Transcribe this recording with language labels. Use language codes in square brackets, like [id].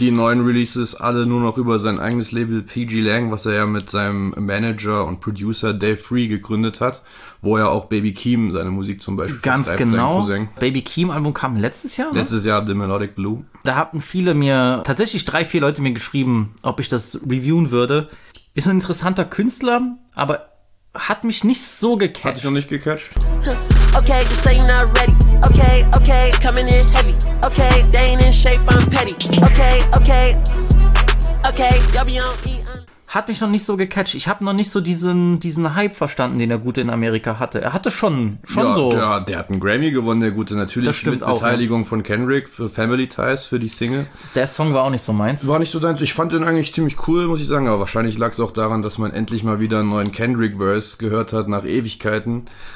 [de] Die neuen Releases alle nur noch über sein eigenes Label PG Lang, was er ja mit seinem Manager und Producer Dave Free gegründet hat, wo er auch Baby Keem seine Musik zum Beispiel ganz genau vertreibt, seinen Cousin. Baby Keem Album kam letztes Jahr, ne? Letztes Jahr, The Melodic Blue. Da hatten viele mir, tatsächlich 3-4 Leute mir geschrieben, ob ich das reviewen würde. Ist ein interessanter Künstler, aber hat mich nicht so gecatcht. Hat dich noch nicht gecatcht? [en] Okay, just say you're not ready. Okay, okay, coming in heavy. Okay, they ain't in shape, I'm petty. Okay, okay, okay, W-O-E-N. [de] Hat mich noch nicht so gecatcht. Ich habe noch nicht so diesen Hype verstanden, den der Gute in Amerika hatte. Er hatte schon ja, so. Ja, der hat einen Grammy gewonnen, der Gute. Natürlich mit Beteiligung auch, ne, von Kendrick für Family Ties, für die Single. Der Song war auch nicht so meins. War nicht so deins. Ich fand den eigentlich ziemlich cool, muss ich sagen. Aber wahrscheinlich lag es auch daran, dass man endlich mal wieder einen neuen Kendrick-Verse gehört hat nach Ewigkeiten.